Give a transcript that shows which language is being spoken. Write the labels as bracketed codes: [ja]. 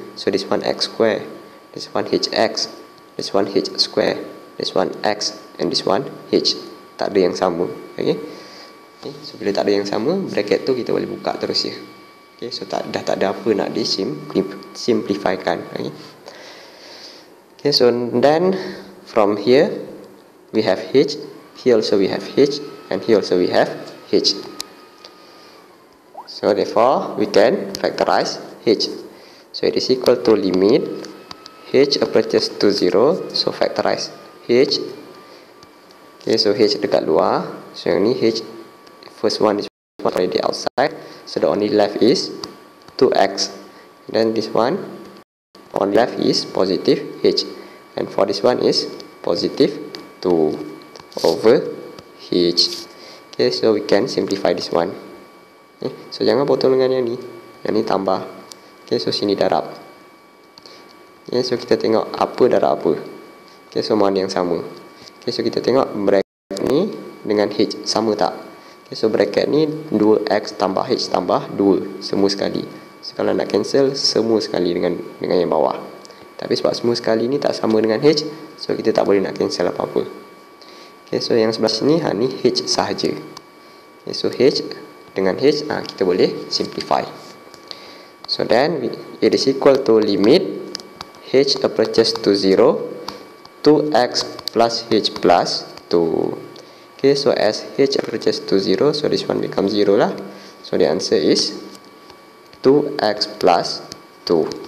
[en] So this one x square, this one hx, this one h square, this one x, and this one h. [ms] Tak ada yang sama. Okay? Okay, so bila tak ada yang sama, bracket tu kita boleh buka terus je. Okay, so tak, dah tak ada apa nak disimplifikan. Okay? [en] Okay, so then from here we have h, here also we have h, and here also we have h. So therefore we can factorize h. So it is equal to limit h approaches to 0, so factorize h. Okay, so [ms] h dekat luar, so yang ni h, [en] first one is already outside, so the only left is 2x, then this one on left is positive h, and for this one is positive 2 over h. Okay, so we can simplify this one. [ms] Okay, so jangan potong dengan yang ni, yang ni tambah. Okay, so sini darab. Okay, so kita tengok apa darab apa. Okay, so mana yang sama. Okay, so kita tengok bracket ni dengan h sama tak. Okay, so bracket ni 2x tambah h tambah 2 semua sekali. So kalau nak cancel semua sekali dengan yang bawah. Tapi sebab semua sekali ni tak sama dengan h, so kita tak boleh nak cancel apa-apa. Okay, so yang sebelah sini, ha, ni h sahaja. Okay, so h dengan h, ha, kita boleh simplify. [en] So then, it is equal to limit h approaches to 0, 2x plus h plus 2. Okay, so as h approaches to 0, so this one becomes 0 lah. So the answer is 2x plus 2.